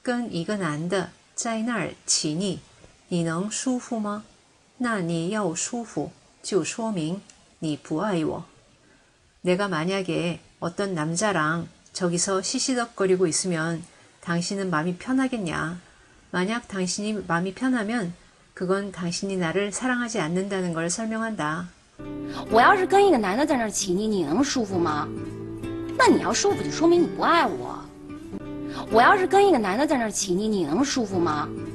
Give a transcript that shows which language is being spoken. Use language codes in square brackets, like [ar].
[zh] 我要是跟一个男的在那儿起腻 你能舒服吗? 那你要舒服就说明你不爱我. [ko] 내가 만약에 어떤 남자랑 저기서 시시덕거리고 있으면 당신은 마음이 편하겠냐? 만약 당신이 마음이 편하면 그건 당신이 나를 사랑하지 않는다는 걸 설명한다. [zh] 我要是跟一个男的在那儿起腻，你能舒服吗？那你要舒服就说明你不爱我。我要是跟一个男的在那儿起腻，你能舒服吗？